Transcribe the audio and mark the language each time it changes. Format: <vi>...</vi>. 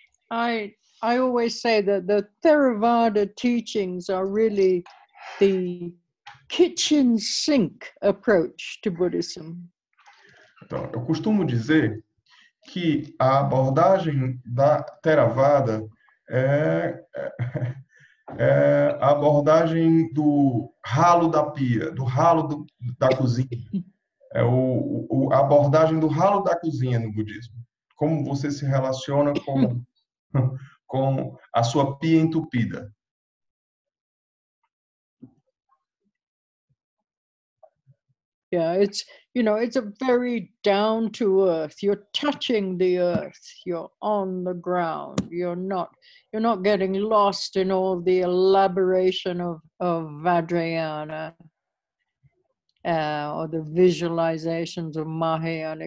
<en>I always say that the Theravada teachings are really the kitchen sink approach to Buddhism.</en> <pt>Então, eu costumo dizer que a abordagem da Theravada é a abordagem do ralo da pia, do ralo da cozinha. É a abordagem do ralo da cozinha no budismo. Como você se relaciona com a sua pia entupida.</pt> <en>Yeah, it's, you know, it's a very down to earth. You're touching the earth. You're on the ground. You're not getting lost in all the elaboration of Vajrayana or the visualizations of Mahayana.</en>